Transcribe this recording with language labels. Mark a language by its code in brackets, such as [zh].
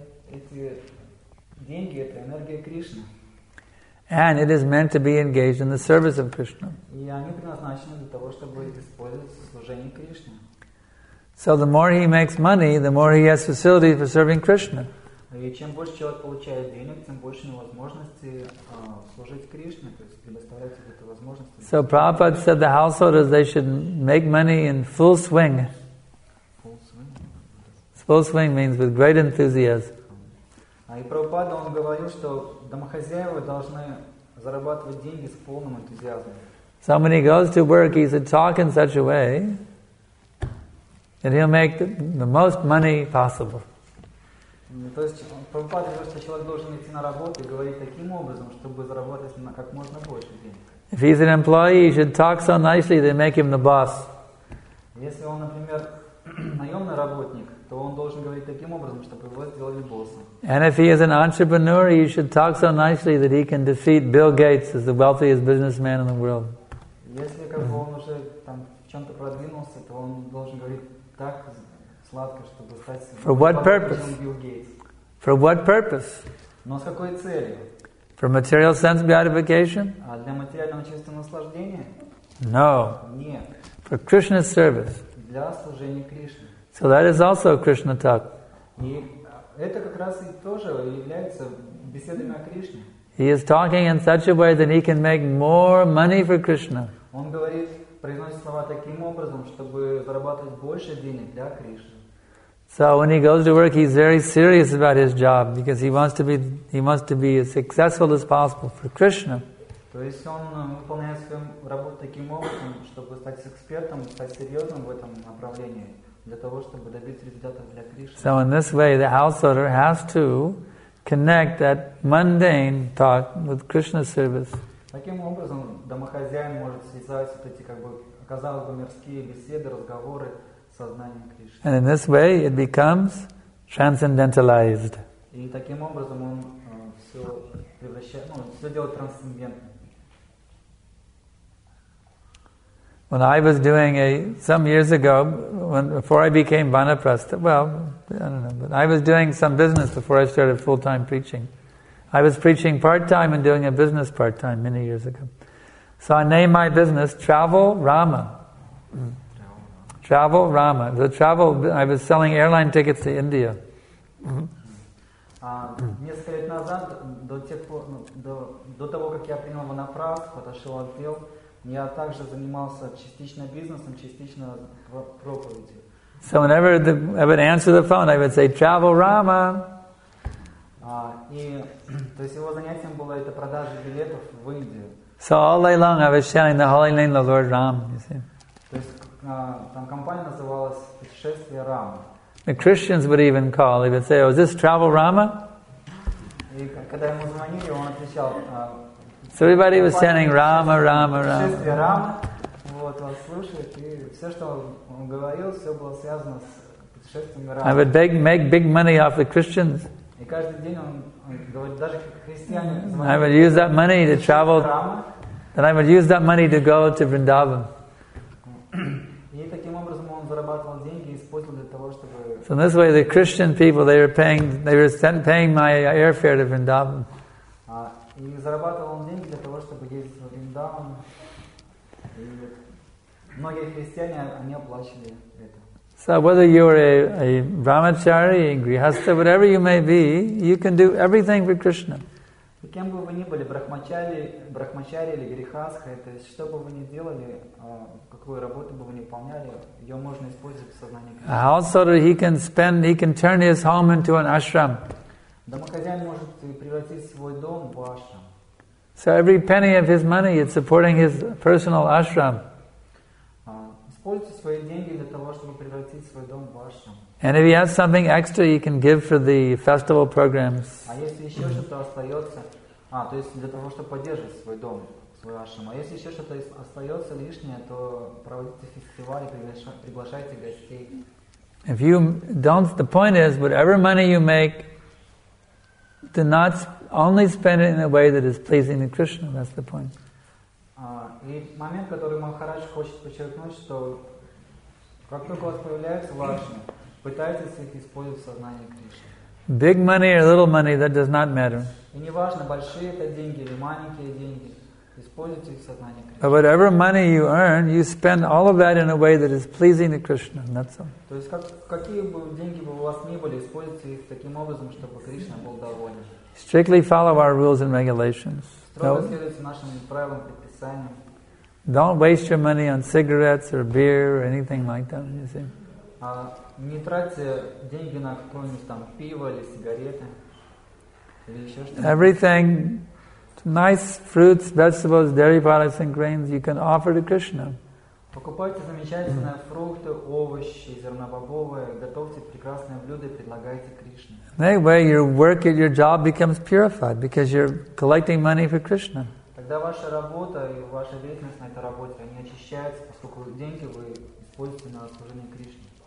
[ru] Эти деньги это энергия Кришны. [en] And it is meant to be engaged in the service of Krishna. [ru] И они предназначены для того, чтобы использоваться в служении Кришне. [en] So the more he makes money, the more he has facilities for serving Krishna. [ru] И чем больше человек получает денег, тем больше у него возможности служить Кришне, то есть предоставлять себе эту возможность. [en] So Prabhupada said the householders they should make money in full swing. Full swing. Full swing means with great enthusiasm. [ru] И Прабхупада он говорил, что домохозяева должны зарабатывать деньги с полным энтузиазмом. [en] So when he goes to work, he should talk in such a way that he'll make the most money possible. [ru] То есть Прабхупада говорит, что человек должен идти на работу и говорить таким образом, чтобы заработать на как можно больше денег. [en] If he's an employee, he should talk so nicely they make him the boss. [ru] Если он, например, наемный работник, то он должен говорить таким образом, чтобы его сделали боссом. [en] And if he is an entrepreneur, he should talk so nicely that he can defeat Bill Gates as the wealthiest businessman in the world. [ru] Если как бы он уже там в чем-то продвинулся, то он должен говорить так сладко, чтобы стать. [en] For what purpose? For what purpose? [ru] Но с какой целью? [en] For material sense gratification? [ru] А для материального чувства наслаждения? [en] No. [ru] Нет. [en] For Krishna's service. [ru] Для служения Кришне. [en] So that is also Krishna talk. [ru] И это как раз и тоже является беседой о Кришне. [en] He is talking in such a way that he can make more money for Krishna. [ru] Он говорит произносит слова таким образом, чтобы зарабатывать больше денег для Кришны. [en] So when he goes to work, he's very serious about his job because he wants to be as successful as possible for Krishna. [ru] То есть он выполняет свою работу таким образом, чтобы стать экспертом, стать серьезным в этом направлении, для того, чтобы добиться результатов для Кришны. [en] So in this way, the householder has to connect that mundane talk with Krishna service. [ru] Таким образом, домохозяин может связать вот эти, как бы, казалось бы, мирские беседы, разговоры со знанием Кришны. [en] And in this way, it becomes transcendentalized. [ru] И таким образом он все превращает, ну, все делает трансцендентным. [en] When I was doing some years ago, before I became vanaprastha, well, I don't know, but I was doing some business before I started full-time preaching. I was preaching part-time and doing a business part-time many years ago. So I named my business Travel Rama. Travel Rama. The travel, I was selling airline tickets to India. [ru] Несколько лет назад, до того, как я принял ванапрастху, отошел от дел, я также занимался частично бизнесом, частично проповедью. [en] So whenever I would answer the phone, I would say, "Travel Rama." [ru] И то есть его занятием было это продажа билетов в Индию. [en] So all day long I was chanting the holy name of Lord Ram. You see. [ru] То есть там компания называлась «Путешествие Рама». [en] The Christians would even call. They would say, "Oh, is this Travel Rama?" [ru] И когда ему звонили, он отвечал. [en] So everybody was chanting Rama, Rama, Rama. [ru] Путешествие Рама. Вот, он слушает, и все, что он говорил, все было связано с путешествием Рама. [en] I would make big money off the Christians. [ru] И каждый день он говорит, даже христиане. [en] I would use that money to travel. Then I would use that money to go to Vrindavan. [ru] И таким образом он зарабатывал деньги и использовал для того, чтобы. [en] So in this way, the Christian people, they were paying my airfare to Vrindavan. [ru] И зарабатывал он деньги для того, чтобы ездить в Вриндаван. И многие христиане, они оплачивали это. [en] So whether you're a brahmachari, a grihastha, whatever you may be, you can do everything for Krishna. [ru] И кем бы вы ни были, брахмачари или грихастха, то есть что бы вы ни делали, какую работу бы вы ни выполняли, ее можно использовать в сознании Кришны. [en] A householder, he can turn his home into an ashram. [ru] Домохозяин может превратить свой дом в ашрам. [en] So every penny of his money is supporting his personal ashram. [ru] Используйте свои деньги для того, чтобы превратить свой дом в ашрам. [en] And if he has something extra, he can give for the festival programs. [ru] А если еще что-то остается, то есть для того, чтобы поддерживать свой дом, свой ашрам. А если еще что-то остается лишнее, то проводите фестиваль и приглашайте гостей. [en] If you don't, the point is, whatever money you make, do not only spend it in a way that is pleasing to Krishna. That's the point. [ru] И момент, который Махарадж хочет подчеркнуть, что как только у вас появляется ашрам, пытайтесь их использовать в сознании Кришны. [en] Big money or little money, that does not matter. [ru] И не важно, большие это деньги или маленькие деньги, используйте их в сознании Кришны. [en] But whatever money you earn, you spend all of that in a way that is pleasing to Krishna. That's all. [ru] То есть какие бы деньги бы у вас ни были, используйте их таким образом, чтобы Кришна был доволен. [en] Strictly follow our rules and regulations. [ru] Строго следуйте нашим правилам и предписаниям. [en] Don't waste your money on cigarettes or beer or anything like that, you see. [ru] Не тратьте деньги на какое-нибудь там пиво или сигареты. [en] Everything, nice fruits, vegetables, dairy products and grains you can offer to Krishna. [ru] Покупайте замечательные фрукты, овощи, зернобобовые, готовьте прекрасные блюда и предлагайте Кришне. [en] Anyway, your work at your job becomes purified because you're collecting money for Krishna. [ru] Тогда ваша работа и ваша деятельность на этой работе, они очищаются, поскольку деньги вы используете на служение Кришне.